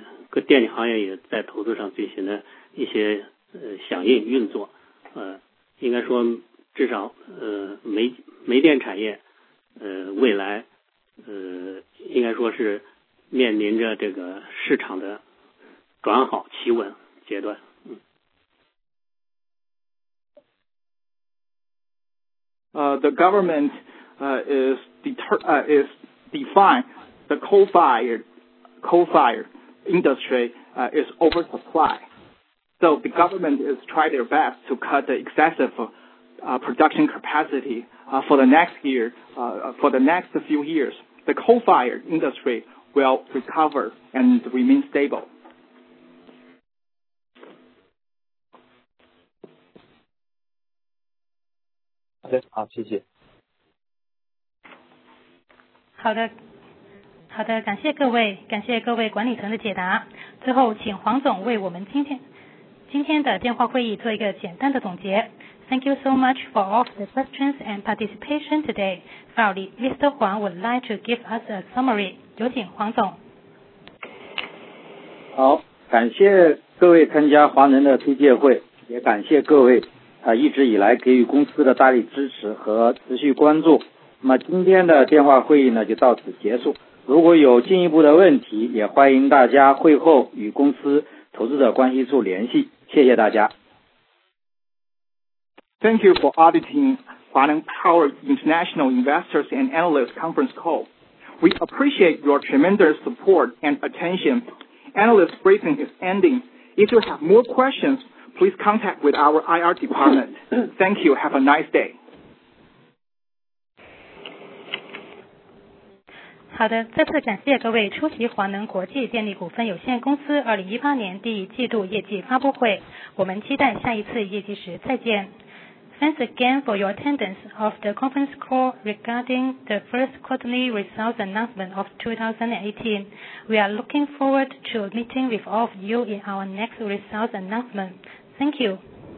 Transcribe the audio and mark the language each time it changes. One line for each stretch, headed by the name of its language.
Chinese: 各电力行业也在投资上进行了一些响应运作，应该说至少煤电产业未来应该说是面临着这个市场的转好企稳阶段。
English: The government is defined the coal-fired industry is oversupply. So the government is trying their best to cut the excessive production capacity for the next year, for the next few years. The coal-fired industry will recover and remain stable.
Chinese: 好，谢谢。好的，感谢各位管理层的解答。最后，请黄总为我们今天的电话会议做一个简单的总结。
English: Thank you so much for all the questions and participation today. Finally, Mr. Huang would like to give us a summary.
Chinese: 有请黄总。好，感谢各位参加华能的推介会，也感谢各位一直以来给予公司的大力支持和持续关注。那么今天的电话会议呢就到此结束，如果有进一步的问题，也欢迎大家会后与公司投资者关系处联系，谢谢大家。
English: Thank you for auditing Huaneng Power International Investors and Analysts Conference Call. We appreciate your tremendous support and attention. Analyst briefing is ending. If you have more questionsPlease contact with our IR department. Thank you. Have a nice day.
Chinese: 好的，再次感谢各位出席华能国际电力股份有限公司2018年第一季度业绩发布会。我们期待下一次业绩时再见。
English: Thanks again for your attendance of the conference call regarding the first quarterly results announcement of 2018. We are looking forward to meeting with all of you in our next results announcement. Thank you.